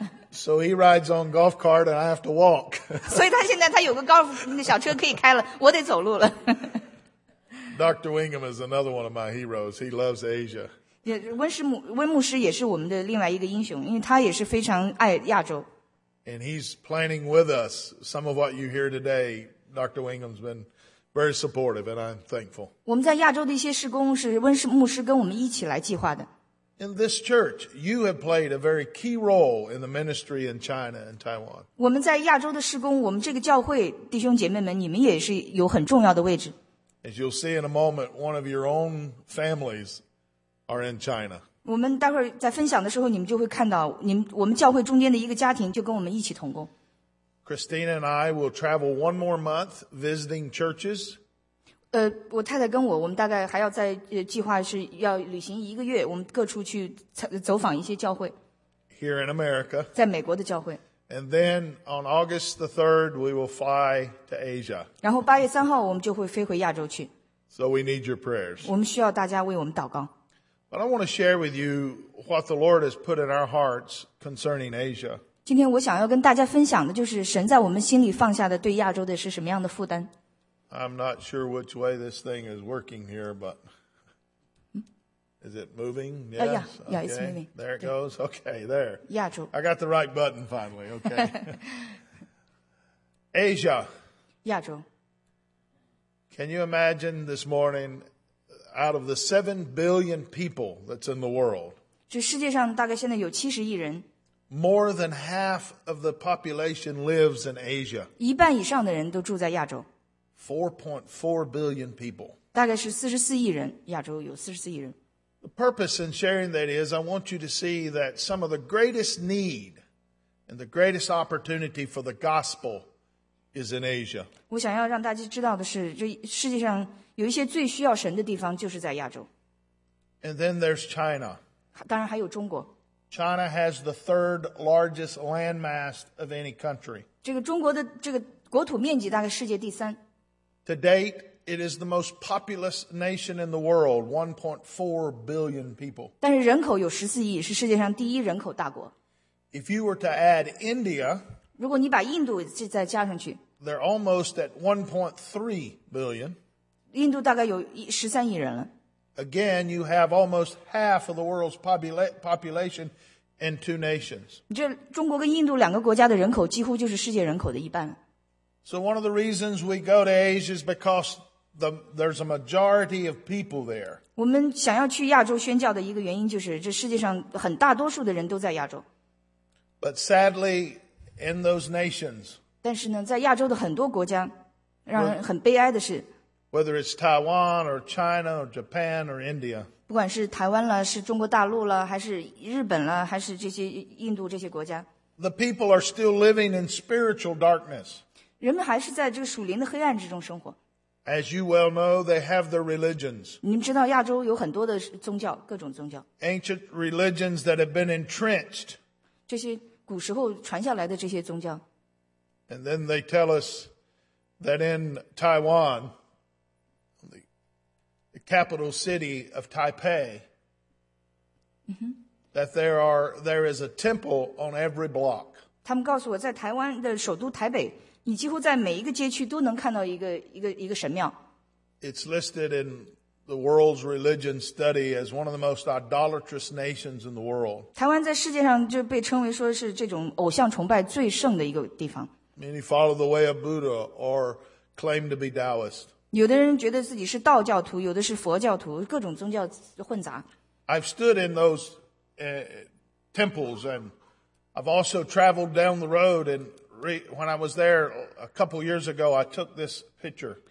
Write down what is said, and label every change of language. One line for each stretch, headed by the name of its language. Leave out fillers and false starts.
English: So he rides on golf cart and I have to walk.
Chinese: 所以他现在他有个高尔夫那小车可以开了，我得走路了。
English: Dr. Wingham is another one of my heroes. He loves Asia.
Chinese: 温牧师也是我们的另外一个英雄，因为他也是非常爱亚洲。
English: And he's planning with us some of what you hear today. Dr. Wingham's been very supportive, and I'm thankful.
Chinese: 我们在亚洲的一些事工是温牧师跟我们一起来计划的。
English: In this church, you have played a very key role in the ministry in China and Taiwan.
Chinese: 我们在亚洲的事工，我们这个教会弟兄姐妹们，你们也是有很重要的位置。
English: As you'll see in a moment, one of your own families are in China.
Chinese: 我们待会儿在分享的时候，你们就会看到，我们教会中间的一个家庭就跟我们一起同工。
English: Christina and I will travel one more month visiting churches.
Chinese: 我太太跟我们大概还要再计划是要旅行一个月，我们各处去走访一些教会。
English: Here in America.
Chinese: 在美国的教会。
English: And then on August the 3rd, we will fly to Asia.
Chinese: 然后8月3号我们就会飞回亚洲去。
English: So we need your prayers.
Chinese: 我们需要大家为我们祷告。
English: But I want to share with you what the Lord has put in our hearts concerning Asia.
Chinese: 今天我想要跟大家分享的就是神在我们心里放下的对亚洲的是什么样的负担。
English: I'm not sure which way this thing is working here, but is it moving? Yes. Yeah, it's moving. There it goes. Okay, there.
Chinese: 亚洲。
English: I got the right button finally. Okay. Asia.
Chinese: 亚洲。
English: Can you imagine this morning? Out of the 7 billion people that's in the world,
Chinese: 这世界上大概现在有70亿人。
English: More than half of the population lives in Asia.
Chinese: 一半以上的人都住在亚洲。
English: 4.4 billion people.
Chinese: 大概是44亿人，亚洲有44亿人。
English: The purpose in sharing that is, I want you to see that some of the greatest need and the greatest opportunity for the gospel is in Asia.
Chinese: 我想要让大家知道的是，这世界上。有一些最需要神的地方就是在亚洲。
English: And then there's China.
Chinese: 当然还有中国。
English: China has the third largest landmass of any country.
Chinese: 这个中国的这个国土面积大概世界第三。
English: To date, it is the most populous nation in the world, 1.4 billion people.
Chinese: 但是人口有14亿，是世界上第一人口大国。
English: If you were to add India,
Chinese: 如果你把印度再加上去，
English: they're almost at 1.3 billion.
Chinese: 印度大概有13亿人了。
English: Again, you have almost half of the world's population in two nations.
Chinese: 这中国跟印度两个国家的人口几乎就是世界人口的一半。
English: So one of the reasons we go to Asia is because there's a majority of people there.
Chinese: 我们想要去亚洲宣教的一个原因就是这世界上很大多数的人都在亚洲。
English: But sadly, in those nations,
Chinese: 但是呢在亚洲的很多国家让人很悲哀的是
English: Whether it's Taiwan or China or Japan or India,
Chinese: 不管是台湾了，是中国大陆了，还是日本了，还是这些印度这些国家
English: ，the people are still living in spiritual darkness.
Chinese: 人们还是在这个属灵的黑暗之中生活。
English: As you well know, they have their religions.
Chinese: 你们知道亚洲有很多的宗教，各种宗教。
English: Ancient religions that have been entrenched.
Chinese: 这些古时候传下来的这些宗教。
English: And then they tell us that in Taiwan. The capital city of Taipei,、that there is a temple on every block.
Chinese: 他们告诉我在台湾的首都台北，你几乎在每一个街区都能看到一个神庙。
English: It's listed in the world's religion study as one of the most idolatrous nations in the world.
Chinese: 台湾在世界上就被称为说是这种偶像崇拜最盛的一个地方。
English: Many follow the way of Buddha or claim to be Taoist.
Chinese: 有的人觉得自己是道教徒，有的是佛教徒，各种宗教混杂。
English: I've stood in those temples, and I've also traveled down the road. And when I was there a couple years ago, I took this picture.